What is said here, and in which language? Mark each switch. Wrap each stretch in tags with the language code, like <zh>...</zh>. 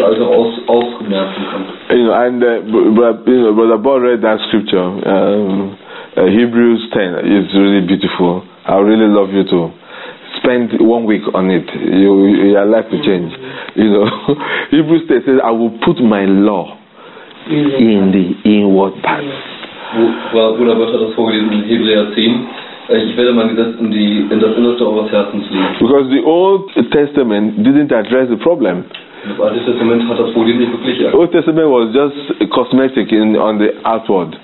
<en>You know, and Brother Paul read that scripture, Hebrews 10, is really beautiful. I really love you too. Spend 1 week on it. Your life will change. You know, Hebrews 10 says, "I will put my law in the inward parts."</en> <de>Bruder Bösch hat das vorgelesen in Hebräer 10. Ich werde mein Gesetz in das Innerste eures Herzens legen.</de> <en>Because the Old Testament didn't address the problem.</en> <de>Das Alte Testament hat das Problem nicht wirklich erkannt.</de> <en>Old Testament was just cosmetic on the outward.</en>